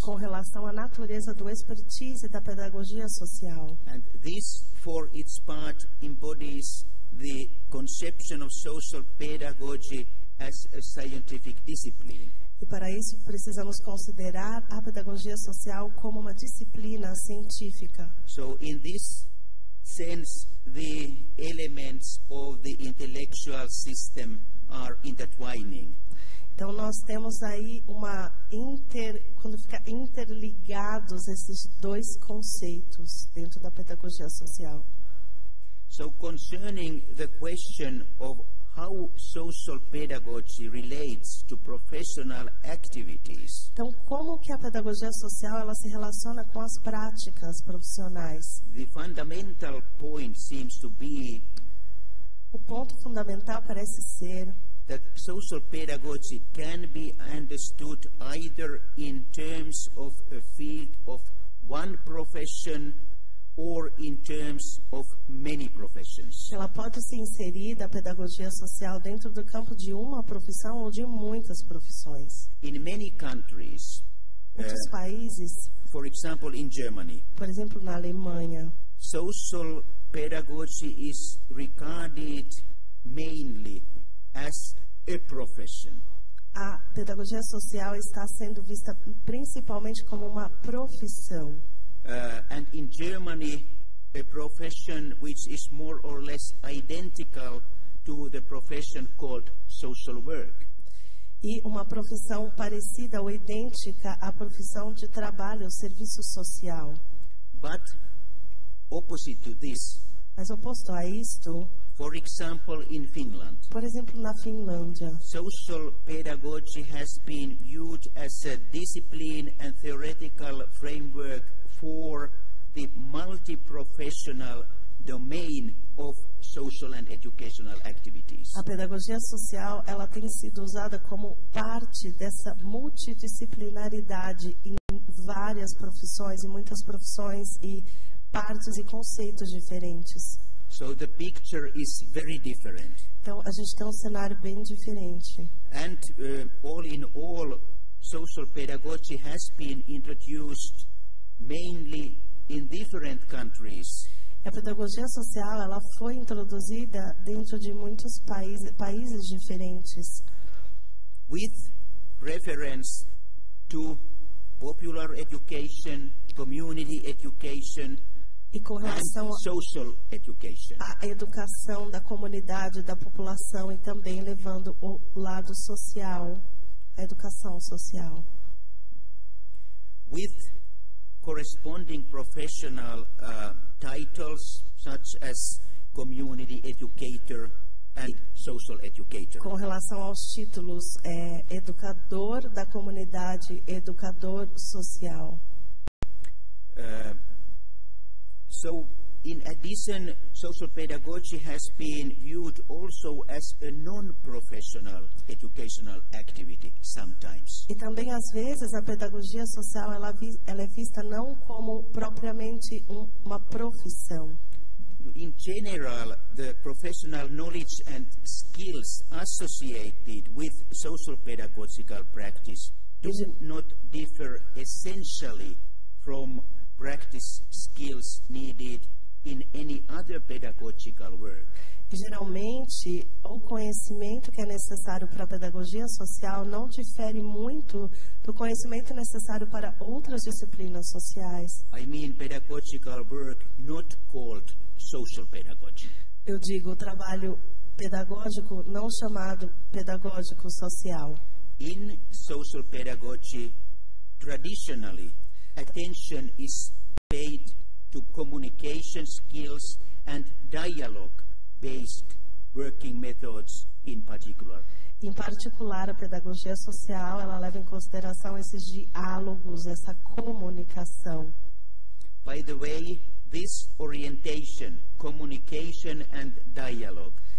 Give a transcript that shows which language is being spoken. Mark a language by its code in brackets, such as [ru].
[pt] Com relação à natureza do expertise da pedagogia social. [en] And this, for its part, embodies the conception of social pedagogy as a scientific discipline. [pt] E para isso precisamos considerar a pedagogia social como uma disciplina científica. [en] So in this sense, the elements of the intellectual system are intertwining. [pt] Então nós temos aí uma quando fica interligados esses dois conceitos dentro da pedagogia social. [en] So concerning the question of how social pedagogy relates to professional activities. [pt] Então, como que a pedagogia social ela se relaciona com as práticas profissionais? [en] The fundamental point seems to be, [pt] o ponto fundamental parece ser, [en] that social pedagogy can be understood either in terms of a field of one profession or in terms of many professions. [pt] Ela pode ser inserida, a pedagogia social, dentro do campo de uma profissão ou de muitas profissões. [en] In many countries, [pt] muitos países, [en] for example, in Germany, [pt] por exemplo, na Alemanha, [en] social pedagogy is regarded mainly as a profession. [pt] a pedagogia social está sendo vista principalmente como uma profissão. [en] And in Germany, a profession which is more or less identical to the profession called social work. [pt] E uma profissão parecida ou idêntica à profissão de trabalho, serviço social. [en] But opposite to this. [pt] Mas oposto a isto. [en] For example, in Finland. [pt] Por exemplo, na Finlândia. [en] Social pedagogy has been viewed as a discipline and theoretical framework for the multi-professional domain of social and educational activities. [pt] A pedagogia social, ela tem sido usada como parte dessa multidisciplinaridade em várias profissões, em muitas profissões e partes e conceitos diferentes. [en] So the picture is very different. [pt] Então a gente tem um cenário bem diferente. [en] And all in all, social pedagogy has been introduced mainly in different countries. [pt] A pedagogia social, ela foi introduzida dentro de muitos países diferentes. [en] With reference to popular education, community education, [pt] e com relação [en] and social education. [pt] À educação da comunidade, da população e também levando o lado social, a educação social. [en] With corresponding professional titles such as community educator and social educator. [pt] Com relação aos títulos, educador da comunidade, educador social. [en] So, in addition, social pedagogy has been viewed also as a non-professional educational activity sometimes. [pt] E também às vezes a pedagogia social ela é vista não como propriamente uma profissão. [en] In general, the professional knowledge and skills associated with social pedagogical practice do not differ essentially from practice skills needed in any other pedagogical work. [pt] Geralmente, o conhecimento que é necessário para a pedagogia social não difere muito do conhecimento necessário para outras disciplinas sociais. [en] I mean pedagogical work not called social pedagogy. [pt] Eu digo o trabalho pedagógico não chamado pedagógico social. [en] In social pedagogy, traditionally, attention is paid to communication skills and dialogue-based working methods in particular. [pt] Em particular, a pedagogia social, ela leva em consideração esses diálogos, essa comunicação. [en] By the way, this orientation, communication and dialogue.